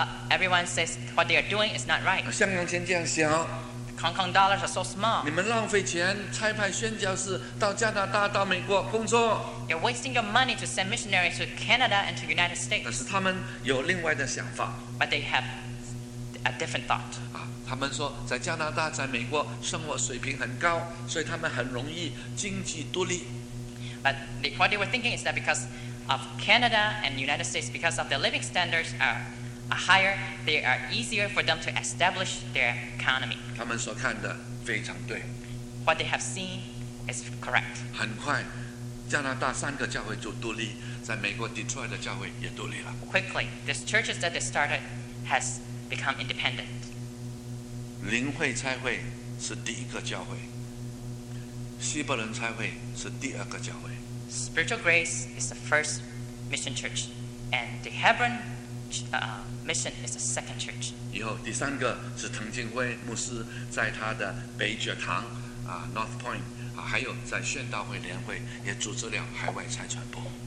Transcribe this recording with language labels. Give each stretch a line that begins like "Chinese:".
English: Everyone says what they are doing is not right.
Chinese: 香港钱这样小。
English: Hong Kong dollars are so small.
Chinese: 你们浪费钱差派宣教士到加拿大到美国工作。
English: You're wasting your money to send missionaries to Canada and to the United States.
Chinese: 但是他们有另外的想法。
English: But they have a different thought.
Chinese: 他们说在加拿大在美国生活水平很高，所以他们很容易经济独立。
English: But what they were thinking is that because of Canada and the United States, because of their living standards are higher, they are easier for them to establish their economy.
Chinese: 他们所看的非常对。
English: What they have seen is correct.
Chinese: 很快，加拿大三个教会就独立，在美国 Detroit 的教会也独立了。
English: Quickly, these churches that they started has become independent.
Chinese: 灵会差会是第一个教会，西伯伦差会是第二个教会。
English: Spiritual Grace is the first mission church, and the Hebron. Mission is the second church.
Chinese: 以后第三个是滕敬辉牧师在他的北爵堂啊 North Point 啊，还有在宣道会联会也组织了海外财传播。